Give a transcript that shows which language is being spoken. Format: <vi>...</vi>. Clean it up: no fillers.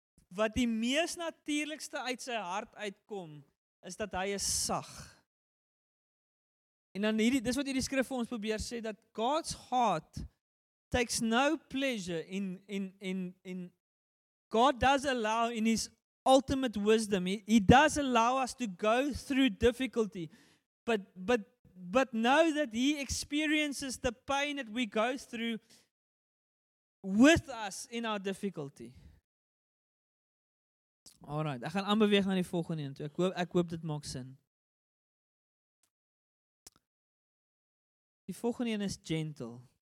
<af>Wat die mees natuurlikste uit sy hart uitkom, is dat hy is sag. En dan hierdie, dis wat hierdie skrif vir ons probeer sê, dat</af> <en>God's heart takes no pleasure in God does allow in his ultimate wisdom, he does allow us to go through difficulty, but know that he experiences the pain that we go through with us in our difficulty.</en> <af>Alright, ek gaan aanbeweeg na die volgende een toe. Ek hoop dit maak sin. Die volgende een is gentle.</af>